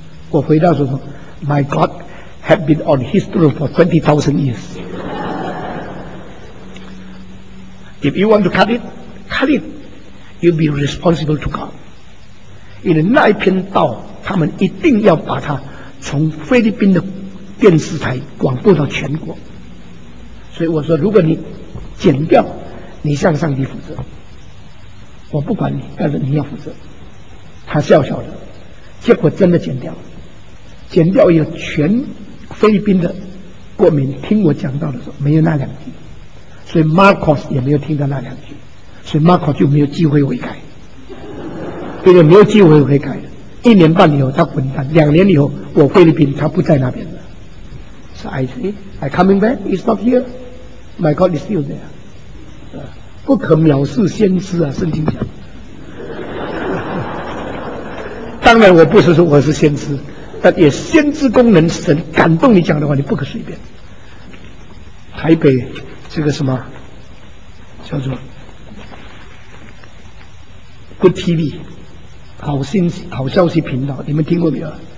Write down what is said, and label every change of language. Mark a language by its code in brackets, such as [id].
[zh] 我回答说 [en] My God had been on his throne for 20,000 years. If you want to cut it, cut it. You'll be responsible to God. [zh] 因为那一篇道他们一定要把它从菲律宾的电视台广播到全国。所以我说如果你剪掉，你向上帝负责。我不管你，但是你要负责。他笑笑的，结果真的剪掉了。剪掉以后，全菲律宾的国民听我讲到的时候，没有那两句，所以 Marcos 也没有听到那两句，所以 Marcos 就没有机会悔改，对不对？没有机会悔改。一年半以后，他滚蛋；两年以后，我菲律宾他不在那边了。 [en] So I say, I coming back, it's not here. My God is still there. [zh] 不可藐视先知啊，圣经讲。当然我不是说我是先知，但也先知功能，神感动你讲的话你不可随便。台北这个什么叫做 Good TV 好消息频道，你们听过没有？